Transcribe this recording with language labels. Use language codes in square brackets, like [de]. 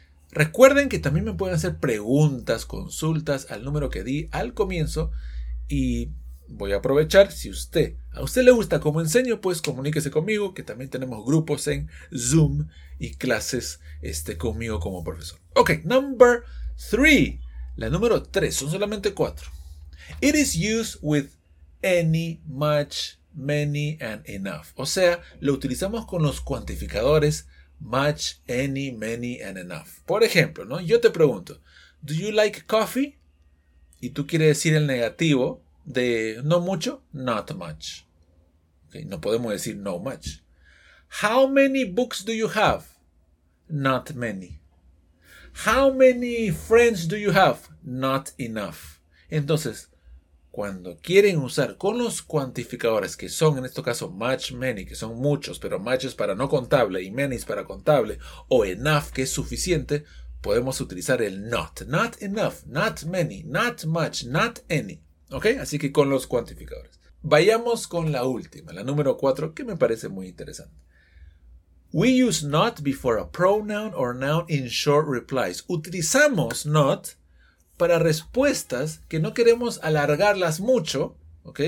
[es] Recuerden que también me pueden hacer preguntas, consultas al número que di al comienzo. Y voy a aprovechar, si a usted le gusta cómo enseño, pues comuníquese conmigo, que también tenemos grupos en Zoom y clases conmigo como profesor. [en] Ok, number 3, [es] la número 3, son solamente 4. [en] It is used with any, much, many and enough. [es] O sea, lo utilizamos con los cuantificadores [en] much, any, many and enough. [es] Por ejemplo, ¿no? Yo te pregunto, [en] do you like coffee? [es] Y tú quieres decir el negativo de no mucho, [en] not much. [es] Okay, no podemos decir no much. [en] How many books do you have? Not many. How many friends do you have? Not enough. [es] Entonces, cuando quieren usar con los cuantificadores, que son en este caso much, many, que son muchos, pero much es para no contable y many es para contable, o enough, que es suficiente, podemos utilizar el not. [en] Not enough, not many, not much, not any. [es] ¿Ok? Así que con los cuantificadores. Vayamos con la última, la número 4, que me parece muy interesante. [en] We use not before a pronoun or noun in short replies. [es] Utilizamos not para respuestas que no queremos alargarlas mucho, ¿ok?